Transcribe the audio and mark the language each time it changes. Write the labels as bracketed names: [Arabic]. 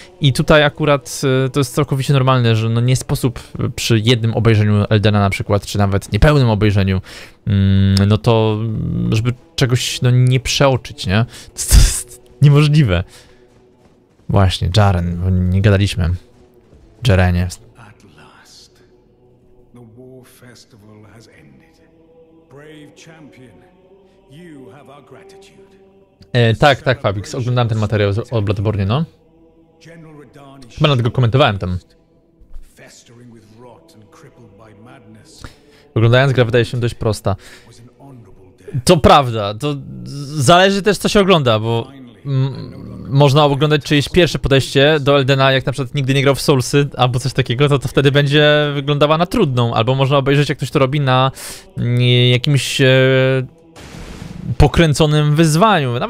[Polish] I tutaj akurat to jest całkowicie normalne, że no nie sposób przy jednym obejrzeniu Eldena na przykład, czy nawet niepełnym obejrzeniu, no to, żeby czegoś no nie przeoczyć, nie? To jest niemożliwe. Właśnie, Jaren, bo nie gadaliśmy. Jerenie. [English] At last, the war festival has ended. Brave champion, you have our gratitude. [Polish] Tak, tak, Fabix, oglądałem ten materiał o Bloodborne, no. General Radani, chyba nawet go komentowałem tam. [English] Festering with rot and crippled by madness. [Polish] Oglądając grę, wydaje się dość prosta. To prawda, to zależy też, co się ogląda, bo... Można oglądać czyjeś pierwsze podejście do Eldena, jak na przykład nigdy nie grał w Soulsy albo coś takiego, to wtedy będzie wyglądała na trudną. Albo można obejrzeć, jak ktoś to robi na jakimś pokręconym wyzwaniu.